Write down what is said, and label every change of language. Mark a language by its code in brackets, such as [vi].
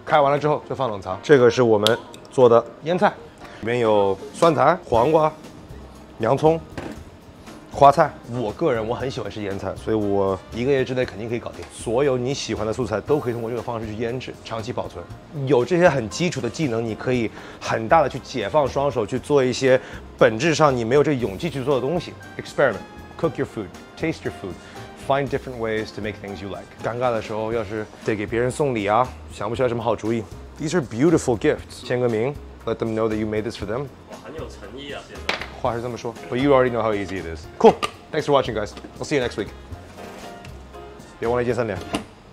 [zh] 开完了之后就放冷藏。这个是我们做的腌菜，里面有酸苔、黄瓜、洋葱、花菜。我个人我很喜欢吃腌菜，所以我1个月之内肯定可以搞定。所有你喜欢的素材都可以通过这个方式去腌制，长期保存。有这些很基础的技能，你可以很大的去解放双手，去做一些本质上你没有这勇气去做的东西。 [en] Experiment, cook your food, taste your food, find different ways to make things you like. [zh] 尴尬的时候，要是得给别人送礼啊，想不出来什么好主意。 [en] These are beautiful gifts. [zh] 签个名 [en] ，let them know that you made this for them. [zh] 哇，很有诚意啊，先生。话是这么说， [en] but you already know how easy it is. Cool. Thanks for watching, guys. I'll see you next week. [zh] 别忘了一键三连。